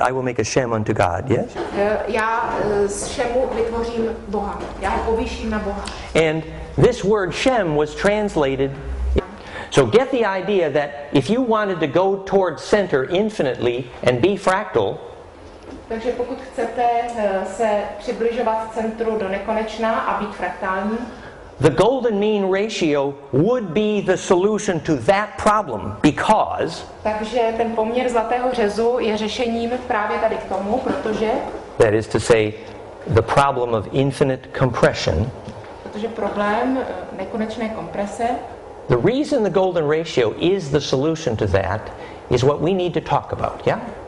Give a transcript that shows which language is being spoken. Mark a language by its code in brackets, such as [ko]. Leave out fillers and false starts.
[en] I will make a shem unto God, yes? [cs] Já z šemu vytvořím Boha. Já povýším na Boha. [en] And this word shem was translated. So get the idea that if you wanted to go toward center infinitely and be fractal, [cs] takže pokud chcete se přibližovat centru do nekonečna a být fraktální, [en] the golden mean ratio would be the solution to that problem because [cs] takže ten poměr zlatého řezu je řešením právě tady k tomu, protože [en] that is to say the problem of infinite compression, [cs] protože problém nekonečné komprese. [en] The reason the golden ratio is the solution to that is what we need to talk about, yeah?